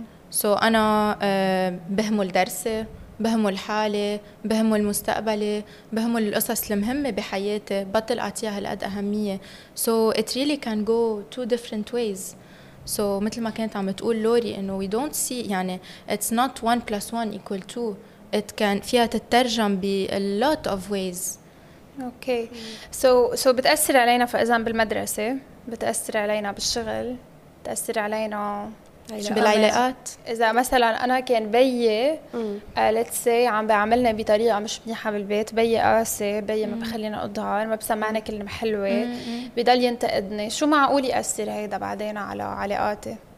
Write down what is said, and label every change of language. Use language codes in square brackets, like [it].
[ar] سو so انا بهمل درسي بهموا الحالة بهموا المستقبلة بهموا القصص المهمة بحياتي بطل أعطيها هالقد أهمية. [en] So it really can go two different ways. So [ar] مثل ما كانت عم تقول لوري إنه [en] we don't see يعني it's not one plus one equal two. It can [ar] فيها تترجم ب [en] a lot of ways. Okay. [ar] So بتأثر علينا فإذا بالمدرسة بتأثر علينا بالشغل بتأثر علينا بالعلاقات. إذا مثلا أنا كان بيي [en] let's say [ar] عم بعملنا بطريقة مش منيحة بالبيت بيي قاسي بيي ما بخلينا أظهر ما بسمعنا كلمة حلوة بضل ينتقدني شو معقول يأثر هيدا بعدين على علاقاتي؟